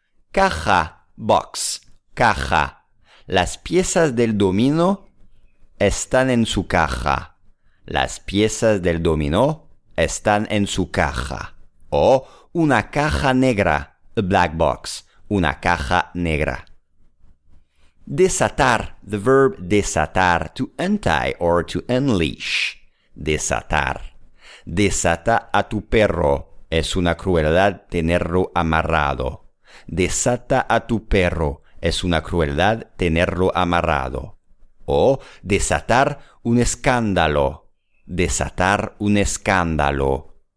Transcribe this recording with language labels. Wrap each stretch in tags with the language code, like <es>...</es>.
<es>Caja, box, caja. Las piezas del dominó están en su caja. Las piezas del dominó están en su caja. O una caja negra,</es> <en>a black box,</en> <es>una caja negra.</es> <en>Desatar, the verb desatar, to untie or to unleash.</en> <es>Desatar. Desata a tu perro, es una crueldad tenerlo amarrado. Desata a tu perro, es una crueldad tenerlo amarrado. O desatar un escándalo. Desatar un escándalo.</es>